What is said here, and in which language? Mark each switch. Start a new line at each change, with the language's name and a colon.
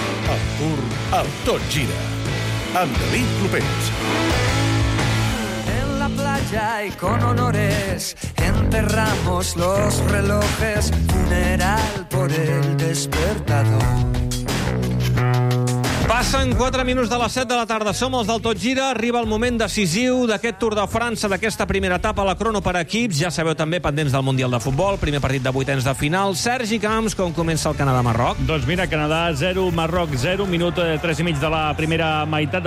Catalan: El Tour, el Tot Gira, amb David Clopés.
Spanish: Y con honores enterramos los relojes, funeral por el despertador.
Catalan: Passen 4 minuts de les 7 de la tarda. Som els del Tot Gira. Arriba el moment decisiu d'aquest Tour de França, d'aquesta primera etapa a la crono per equips. Ja sabeu també, pendents del Mundial de Futbol. Primer partit de vuitens de final. Sergi Camps, com comença el Canadà-Marroc? Doncs mira, Canadà 0, Marroc 0. Minut 3 i mig de la primera meitat.